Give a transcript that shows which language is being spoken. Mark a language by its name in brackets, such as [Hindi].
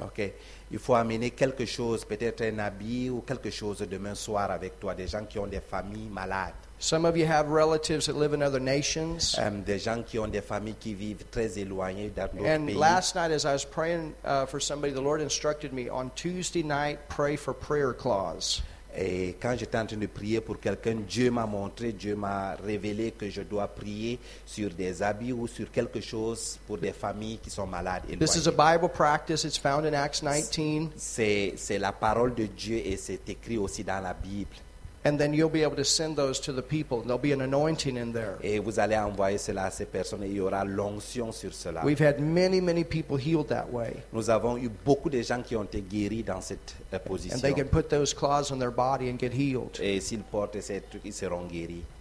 [French] Okay, il faut amener quelque chose, peut-être un habit ou quelque chose demain soir avec toi, des gens qui ont des familles malades. [English] Some of you have relatives that live in other nations. [French] Des gens qui ont des familles qui vivent très éloignées dans notre pays. [English] And last night as I was praying for somebody, the Lord instructed me, on Tuesday night, pray for prayer claws. [French] Et quand j'étais en train de prier pour quelqu'un, Dieu m'a montré, Dieu m'a révélé que je dois prier sur des habits ou sur quelque chose pour des familles qui sont malades éloignées. [English] This is a Bible practice. It's found in Acts 19. [French] C'est la parole de Dieu et c'est écrit aussi dans la Bible. [English] And then you'll be able to send those to the people. There'll be an anointing in there. [French] Et vous allez envoyer cela à ces personnes et il y aura l'onction sur cela. [English] We've had many, many people healed that way. [French] Nous avons eu beaucoup de gens qui ont été guéris dans cette position. [English] And they can put those claws on their body and get healed. [French] Et s'ils portent ces trucs, ils seront guéris.